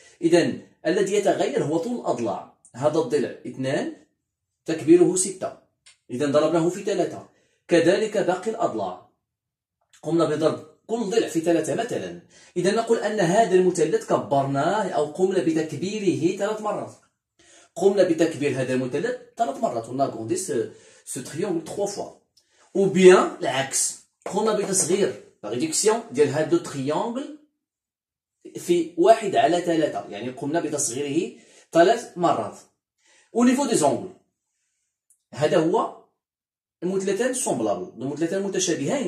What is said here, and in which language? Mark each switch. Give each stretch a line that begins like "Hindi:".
Arabic: اذا الذي يتغير هو طول الاضلاع. هذا الضلع 2 تكبيره 6، اذا ضربناه في 3، كذلك باقي الاضلاع قمنا بضرب كل ضلع في 3 مثلا. إذا نقول أن هذا المثلث كبرناه أو قمنا بتكبيره 3 مرات. قمنا بتكبير هذا المثلث 3 مرات،
French: on a grandi ce triangle 3 fois.
Arabic: أو بيان العكس، قمنا بتصغير ريدكسيون ديال هذا لو تريانجل في 1 على 3، يعني قمنا بتصغيره 3 مرات. أو نيفو دي زونجل، هذا هو المثلثان سومبلابل، المثلثان متشابهان.